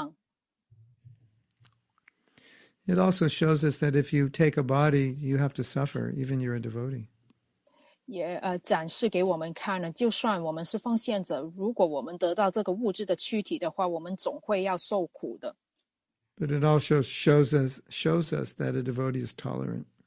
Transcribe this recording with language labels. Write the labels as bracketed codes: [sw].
[zh] 因为重点就是不是所有人也可以了这样平安喜乐地离开了躯体的，所以如果Krishna安排一些奉献者在不那么舒适的情况之下离开躯体，那其他人也可以看到这个榜样。 [en] It also shows us that if you take a body, you have to suffer, even you're a devotee. [zh] 也展示给我们看了，就算我们是奉献者，如果我们得到这个物质的躯体的话，我们总会要受苦的。 [en] But it also shows us that a devotee is tolerant.